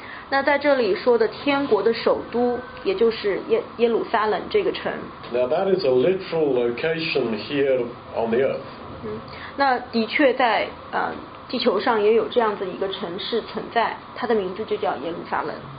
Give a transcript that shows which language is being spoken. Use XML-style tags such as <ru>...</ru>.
<zh>那在这里说的天国的首都，也就是耶路撒冷这个城。</zh> <en>Now that is a literal location here on the earth.</en> <zh>那的确在地球上也有这样子一个城市存在，它的名字就叫耶路撒冷。</zh>